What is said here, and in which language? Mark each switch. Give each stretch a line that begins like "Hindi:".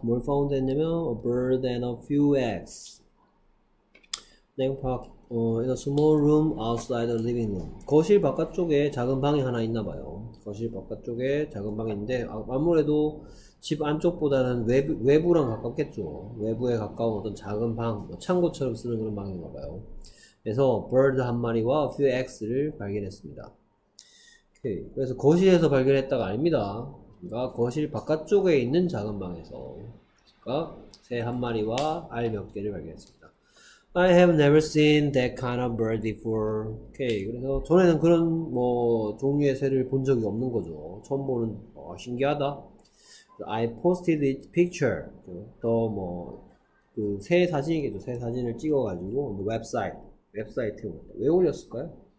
Korean: 뭘
English: found
Korean: 했냐면
English: a bird and a few eggs.
Korean: 내용 파악.
English: In a small room outside the living room.
Korean: 거실 바깥쪽에 작은 방이 하나 있나 봐요. 거실 바깥쪽에 작은 방이 있는데, 아무래도 집 안쪽보다는 외부랑 가깝겠죠. 외부에 가까운 어떤 작은 방, 뭐 창고처럼 쓰는 그런 방인가 봐요. 그래서 bird 한 마리와
English: a few eggs
Korean: 를 발견했습니다. 오케이. 그래서 거실에서 발견했다가 아닙니다. 그러니까 거실 바깥쪽에 있는 작은 방에서 그러니까 새 한 마리와 알몇 개를 발견했습니다.
English: I have never seen that kind of bird before. Okay.
Korean: 그래서, 전에는 그런, 뭐, 종류의 새를 본 적이 없는 거죠. 처음 보는, 신기하다.
English: I posted its picture.
Korean: 또, 뭐, 그, 새 사진이겠죠. 새 사진을 찍어가지고, 웹사이트에 올렸다. 왜 올렸을까요?